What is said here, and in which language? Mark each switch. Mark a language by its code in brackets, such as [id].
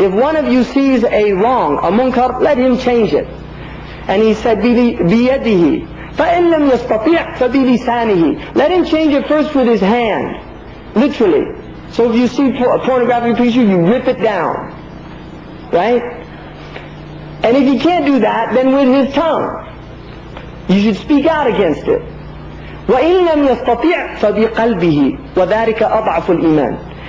[en] If one of you sees a wrong, a munkar, let him change it. And he said, [ar] بِيَدِهِ فَإِن لَمْ يَسْتَطِعْ فَبِلِسَانِهِ. [en] Let him change it first with his hand. Literally. So if you see a pornographic picture, you rip it down. Right? And if he can't do that, then with his tongue. You should speak out against it. [ar] وَإِن لَمْ يَسْتَطِعْ فَبِقَلْبِهِ وَذَٰرِكَ أَضْعَفُ الْإِمَانِ.